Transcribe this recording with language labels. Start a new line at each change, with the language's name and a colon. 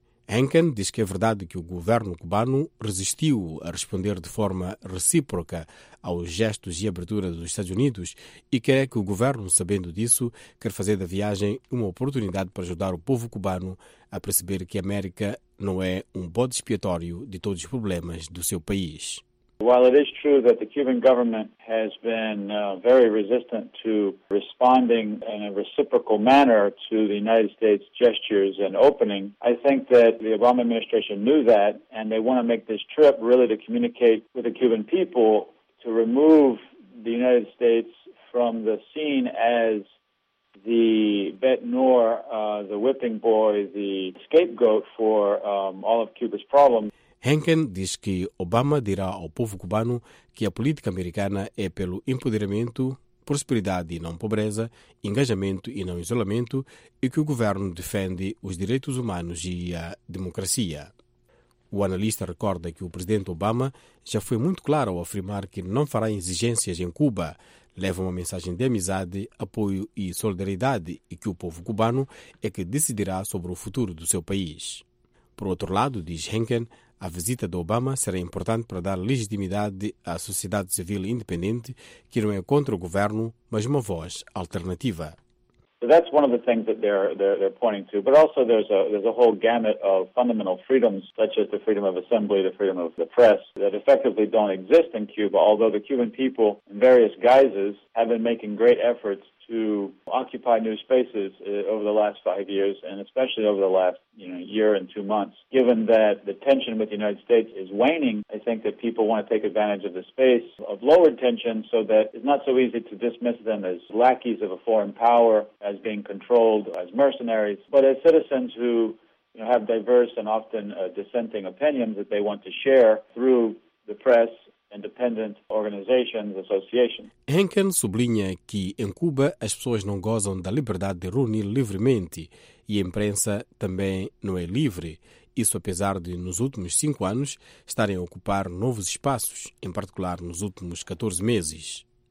Portuguese: Henkin diz que é verdade que o governo cubano resistiu a responder de forma recíproca aos gestos e abertura dos Estados Unidos e quer que o governo, sabendo disso, quer fazer da viagem uma oportunidade para ajudar o povo cubano a perceber que a América não é um bode expiatório de todos os problemas do seu país.
English: While it is true that the Cuban government has been very resistant to responding in a reciprocal manner to the United States gestures and opening, I think that the Obama administration knew that, and they want to make this trip really to communicate with the Cuban people to remove the United States from the scene as the bete noire, the whipping boy, the scapegoat for all of Cuba's problems.
Portuguese: Henkin diz que Obama dirá ao povo cubano que a política americana é pelo empoderamento, prosperidade e não pobreza, engajamento e não isolamento, e que o governo defende os direitos humanos e a democracia. O analista recorda que o presidente Obama já foi muito claro ao afirmar que não fará exigências em Cuba, leva uma mensagem de amizade, apoio e solidariedade, e que o povo cubano é que decidirá sobre o futuro do seu país. Por outro lado, diz Henkin, a visita de Obama será importante para dar legitimidade à sociedade civil independente, que não é contra o governo, mas uma voz alternativa.
English: So that's one of the things that they're pointing to, but also there's a whole gamut of fundamental freedoms, such as the freedom of assembly, the freedom of the press, that effectively don't exist in Cuba, although the Cuban people in various guises have been making great efforts to occupy new spaces over the last 5 years, and especially over the last year and 2 months. Given that the tension with the United States is waning, I think that people want to take advantage of the space of lowered tension so that it's not so easy to dismiss them as lackeys of a foreign power, as being controlled, as mercenaries, but as citizens who have diverse and often dissenting opinions that they want to share through the press, independent organizations, associations.
Portuguese: Henkin sublinha que em Cuba as pessoas não gozam da liberdade de reunir livremente e a imprensa também não é livre. Isso apesar de, nos últimos 5 anos, estarem a ocupar novos espaços, em particular nos últimos 14 meses.